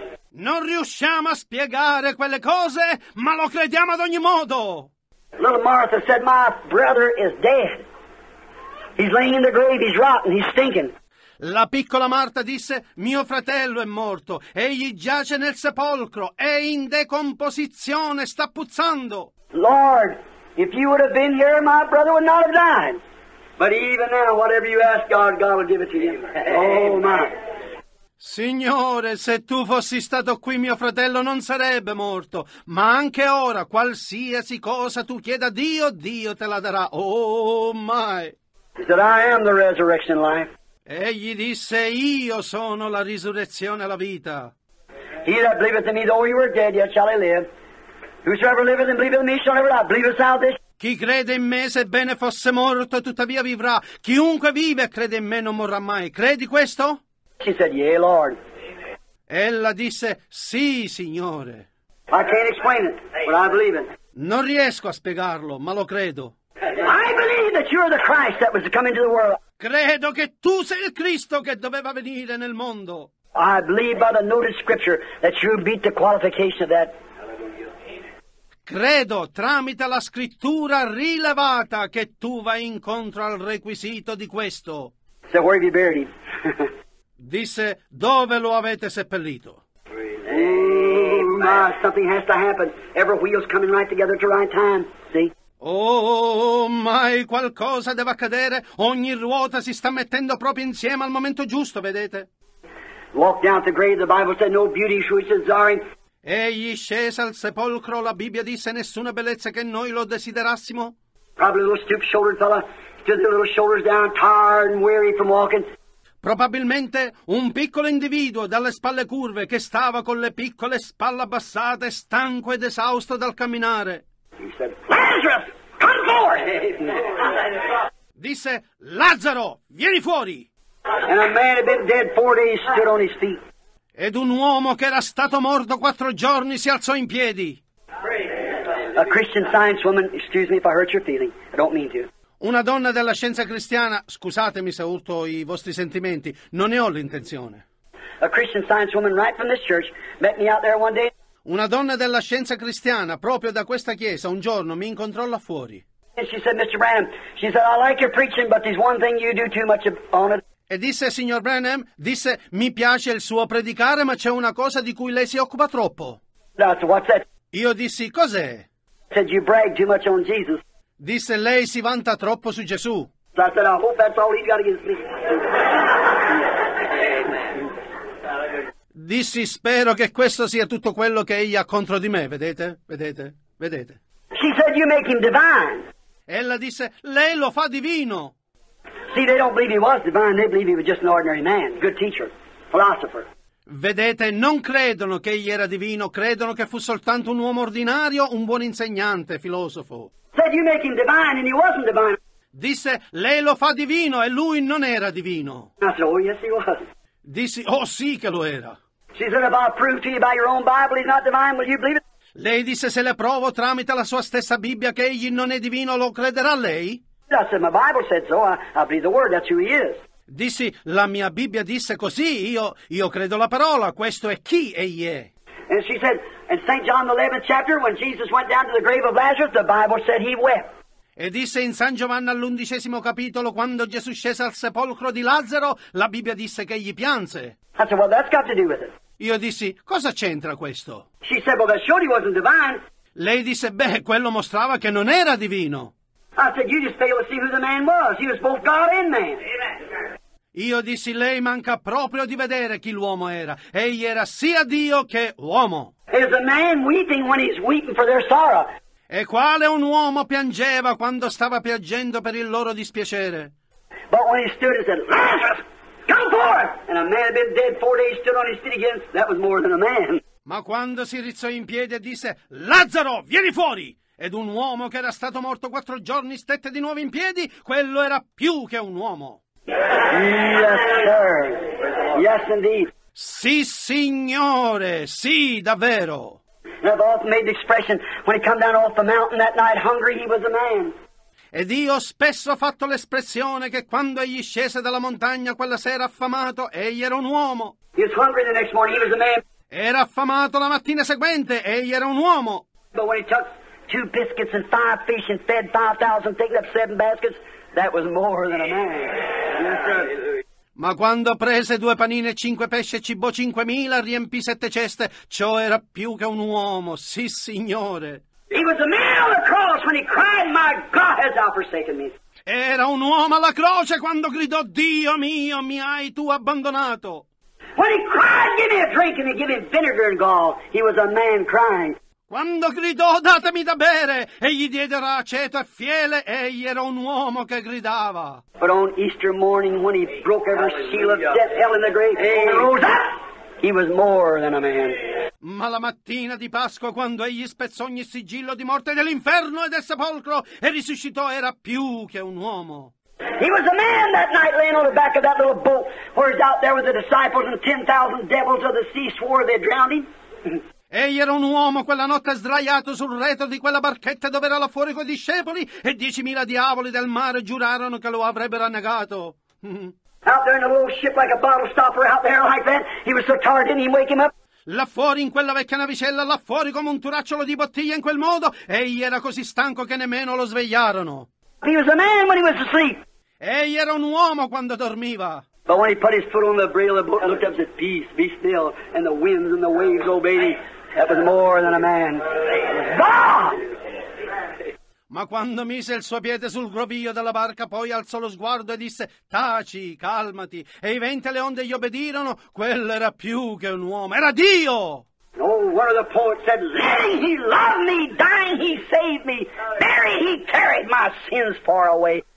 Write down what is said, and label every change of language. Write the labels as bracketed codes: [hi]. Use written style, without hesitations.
[it] Non riusciamo a spiegare quelle cose, ma lo crediamo ad ogni modo. [en] Little Martha said, my brother is dead. He's laying in the grave, he's rotten, he's stinking. [it] La piccola Marta disse, mio fratello è morto, egli giace nel sepolcro, è in decomposizione, sta puzzando. [en] Lord, if you would have been here, my brother would not have died. But even now, whatever you ask God, God will give it to you. Oh my. [it] Signore, se tu fossi stato qui, mio fratello non sarebbe morto. Ma anche ora, qualsiasi cosa tu chieda a Dio, Dio te la darà. [en] Oh my. He said, I am the resurrection and life. [it] Egli disse, io sono la risurrezione e la vita. [en] He that believeth in me, though he were dead, yet shall he live. Whosoever liveth and believeth in me shall never die. Believe us out this. [it] Chi crede in me, sebbene fosse morto, tuttavia vivrà. Chiunque vive e crede in me non morrà mai. Credi questo? [en] She said, yeah, Lord. [it] Ella disse, sì, Signore. [en] I can't explain it, but I believe it. [it] Non riesco a spiegarlo, ma lo credo. [en] I believe that you're the Christ that was to come into the world. [it] Credo che tu sei il Cristo che doveva venire nel mondo. [en] I believe by the noted scripture that you beat the qualification of that. [it] Credo, tramite la scrittura rilevata, che tu vai incontro al requisito di questo. [en] So where have you buried him? [it] Disse, dove lo avete seppellito? [en] Amen. my, something has to happen. Every wheel's coming right together at the right time. See? [it] Oh, mai qualcosa deve accadere. Ogni ruota si sta mettendo proprio insieme al momento giusto, vedete? [en] Walked down the grave, the Bible said, no beauty which is desiring. [it] Egli scese al sepolcro, la Bibbia disse, nessuna bellezza che noi lo desiderassimo. [en] Probably a little stoop-shouldered fella, stood their little shoulders down, tired and weary from walking. [it] Probabilmente un piccolo individuo dalle spalle curve che stava con le piccole spalle abbassate, stanco ed esausto dal camminare. [en] He said, Lazarus, come forth! [it] Disse, Lazzaro, vieni fuori! [en] And a man had been dead 4 days, stood on his feet. [it] Ed un uomo che era stato morto 4 giorni si alzò in piedi. [en] A Christian science woman, excuse me if I hurt your feeling, I don't mean to. [it] Una donna della scienza cristiana, scusatemi se urto i vostri sentimenti, non ne ho l'intenzione. [en] A Christian science woman right from this church met me out there one day. [it] Una donna della scienza cristiana, proprio da questa chiesa, un giorno mi incontrò là fuori. [en] And she said, Mr. Branham, she said, I like your preaching, but there's one thing you do too much on it. [it] E disse, signor Branham, disse, mi piace il suo predicare, ma c'è una cosa di cui lei si occupa troppo. [en] No, so what's that? [it] Io dissi, cos'è? [en] Said, you brag too much on Jesus. [it] Disse, lei si vanta troppo su Gesù. [en] So I said, I hope that's all he's got against me. [it] Dissi, spero che questo sia tutto quello che egli ha contro di me, vedete, vedete, vedete. [en] She said, you make him divine. [it] Ella disse, lei lo fa divino. [en] See, they don't believe he was divine, they believe he was just an ordinary man, good teacher, philosopher. [it] Vedete, non credono che egli era divino, credono che fu soltanto un uomo ordinario, un buon insegnante, filosofo. [en] Said, you make him divine, and he wasn't divine. [it] Disse, lei lo fa divino, e lui non era divino. [en] I said, oh, yes, he was. [it] Dissi, oh sì che lo era. [en] She said, if I prove to you by your own Bible he's not divine, will you believe it? [it] Lei disse, se le provo tramite la sua stessa Bibbia che egli non è divino, lo crederà lei? [en] I said, my Bible said so, I believe the word, that's who he is. [it] Dissi, la mia Bibbia disse così, io credo la parola, questo è chi egli è. [en] And she said, in St. John 11th chapter, when Jesus went down to the grave of Lazarus, the Bible said he wept. [it] E disse in San Giovanni all'undicesimo capitolo, quando Gesù scese al sepolcro di Lazzaro, la Bibbia disse che egli pianse. [en] I said, well, that's got to do with it. [it] Io dissi, cosa c'entra questo? [en] She said, well, that surely wasn't divine. [it] Lei disse, beh, quello mostrava che non era divino. [en] I said, you just failed to see who the man was. He was both God and man. [it] Io dissi, lei manca proprio di vedere chi l'uomo era. Egli era sia Dio che uomo. [en] Is a man weeping when he's weeping for their sorrow? [it] E quale un uomo piangeva quando stava piangendo per il loro dispiacere? [en] But when he stood and said, Lazarus, come forth! And a man had been dead 4 days, stood on his feet again, that was more than a man. [it] Ma quando si rizzò in piedi e disse, Lazzaro, vieni fuori! Ed un uomo che era stato morto 4 giorni stette di nuovo in piedi, quello era più che un uomo. [en] Yes, sir. Yes, indeed. [it] Sì, signore, sì, davvero. [en] And I've often made the expression, when he come down off the mountain that night hungry, he was a man. [it] Ed io spesso ho fatto l'espressione che quando egli scese dalla montagna quella sera affamato, egli era un uomo. [en] He was hungry the next morning, he was a man. [it] Era affamato la mattina seguente, egli era un uomo. [en] But when he took 2 biscuits and 5 fish and fed 5,000, taking up 7 baskets, that was more than a man. Yes, sir. [it] Ma quando prese 2 panini e 5 pesci e cibò 5,000, riempì 7 ceste, ciò era più che un uomo, sì signore. [en] He was a man on the cross when he cried, my God has thou forsaken me. [it] Era un uomo alla croce quando gridò, Dio mio, mi hai tu abbandonato. [en] When he cried, give me a drink and they give him vinegar and gall, he was a man crying. [it] Quando gridò, datemi da bere, e gli diedero aceto e fiele, egli era un uomo che gridava. [en] But on Easter morning, when he broke every seal of death, hell in the grave, hey, and rose up, he was more than a man. [it] Ma la mattina di Pasqua, quando egli spezzò ogni sigillo di morte dell'inferno e del sepolcro, e risuscitò, era più che un uomo. [en] He was a man that night laying on the back of that little boat, where he's out there with the disciples and 10,000 devils of the sea swore they'd drown him. [it] Egli era un uomo quella notte sdraiato sul retro di quella barchetta dove era là fuori coi discepoli e 10,000 diavoli del mare giurarono che lo avrebbero annegato. [en] Out there in a little ship like a bottle stopper out there like that, he was so tired didn't even wake him up. [it] Là fuori in quella vecchia navicella, là fuori come un turacciolo di bottiglia in quel modo, egli era così stanco che nemmeno lo svegliarono. [en] He was a man when he was asleep. [it] Egli era un uomo quando dormiva. [en] But when he put his foot on the braille of the boat and looked up and said, peace, be still, and the winds and the waves obeyed him. That was more than a man. God! [it] Ma quando mise il suo piede sul groviglio della barca, poi alzò lo sguardo e disse: taci, calmati. E i venti e le onde gli obbedirono. Quello era più che un uomo, era Dio! [en] No, one of the poets said, living he loved me, dying he saved me, buried he carried my sins far away.